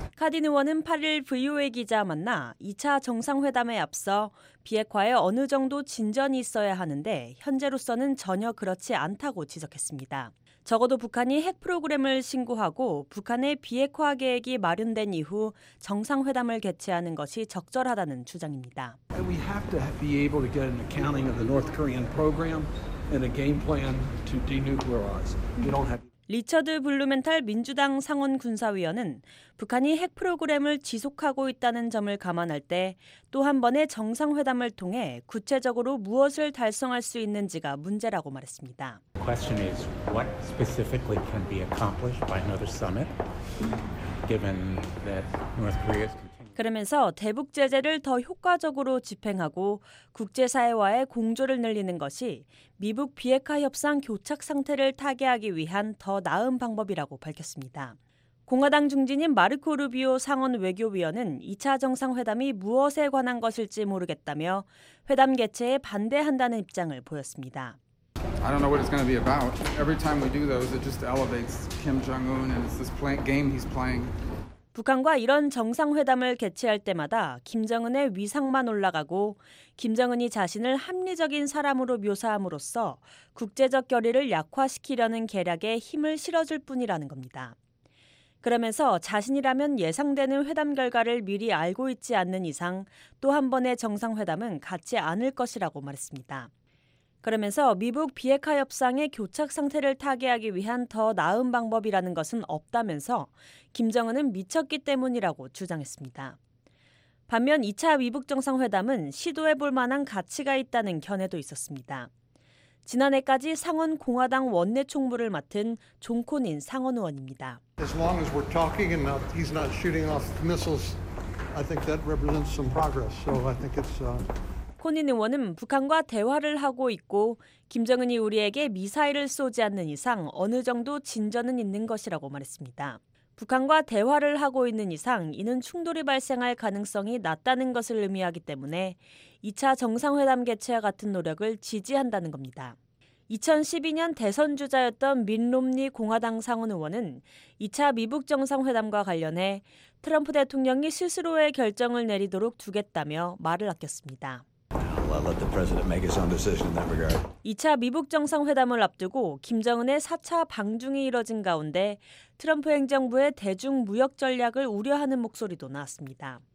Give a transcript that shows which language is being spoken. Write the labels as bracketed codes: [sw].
[ko] 카딘 의원은 8일 VOA 기자 만나 2차 정상회담에 앞서 비핵화에 어느 정도 진전이 있어야 하는데 현재로서는 전혀 그렇지 않다고 지적했습니다. 적어도 북한이 핵 프로그램을 신고하고 북한의 비핵화 계획이 마련된 이후 정상회담을 개최하는 것이 적절하다는 주장입니다. [en] We have to be able to get an accounting of the North Korean program and a game plan to denuclearize. We don't have [ko] 리처드 블루멘탈 민주당 상원 군사위원은 북한이 핵 프로그램을 지속하고 있다는 점을 감안할 때 또 한 번의 정상회담을 통해 구체적으로 무엇을 달성할 수 있는지가 문제라고 말했습니다. [en] The question is what specifically can be accomplished by another summit given that North Korea's [ko] 그러면서 대북 제재를 더 효과적으로 집행하고 국제사회와의 공조를 늘리는 것이 미북 비핵화 협상 교착 상태를 타개하기 위한 더 나은 방법이라고 밝혔습니다. 공화당 중진인 마르코 루비오 상원 외교위원은 2차 정상회담이 무엇에 관한 것일지 모르겠다며 회담 개최에 반대한다는 입장을 보였습니다. [en] I don't know what it's going to be about. Every time we do those, it just elevates Kim Jong-un and it's this game he's playing. [ko] 북한과 이런 정상회담을 개최할 때마다 김정은의 위상만 올라가고 김정은이 자신을 합리적인 사람으로 묘사함으로써 국제적 결의를 약화시키려는 계략에 힘을 실어줄 뿐이라는 겁니다. 그러면서 자신이라면 예상되는 회담 결과를 미리 알고 있지 않는 이상 또 한 번의 정상회담은 갖지 않을 것이라고 말했습니다. 그러면서 미북 비핵화 협상의 교착 상태를 타개하기 위한 더 나은 방법이라는 것은 없다면서 김정은은 미쳤기 때문이라고 주장했습니다. 반면 2차 미북 정상회담은 시도해볼 만한 가치가 있다는 견해도 있었습니다. 지난해까지 상원 공화당 원내 총무를 맡은 존 코닌 상원 의원입니다. [en] As long as we're talking and not, he's not shooting off missiles, I think that represents some progress. So I think it's [ko] 코닌 의원은 북한과 대화를 하고 있고 김정은이 우리에게 미사일을 쏘지 않는 이상 어느 정도 진전은 있는 것이라고 말했습니다. 북한과 대화를 하고 있는 이상 이는 충돌이 발생할 가능성이 낮다는 것을 의미하기 때문에 2차 정상회담 개최와 같은 노력을 지지한다는 겁니다. 2012년 대선 주자였던 민 롬니 공화당 상원 의원은 2차 미북 정상회담과 관련해 트럼프 대통령이 스스로의 결정을 내리도록 두겠다며 말을 아꼈습니다. [en] I'll let the president make his own decision in that regard. [ko] 2차 미북 정상회담을 앞두고 김정은의 4차 방중이 이뤄진 가운데 트럼프 행정부의 대중 무역 전략을 우려하는 목소리도 나왔습니다.